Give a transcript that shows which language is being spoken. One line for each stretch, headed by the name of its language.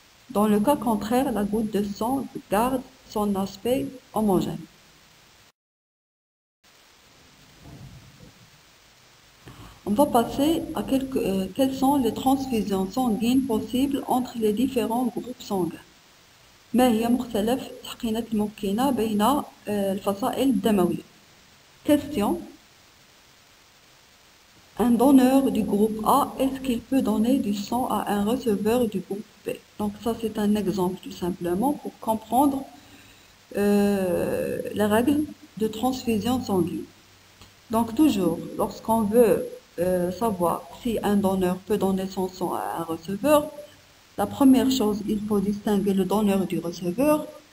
French: Dans le cas contraire, la goutte de sang garde son aspect homogène. On va passer à quelles sont les transfusions sanguines possibles entre les différents groupes sanguins.
Arabic: ما هي مختلف التحقنات الممكنة بين الفصائل الدموية؟ Question.
French: Un donneur du groupe A, est-ce qu'il peut donner du sang à un receveur du groupe B? Donc ça, c'est un exemple tout simplement pour comprendre la règle de transfusion sanguine. Donc toujours, lorsqu'on veut savoir si un donneur peut donner son sang à un receveur, la première chose, il faut distinguer le donneur du receveur.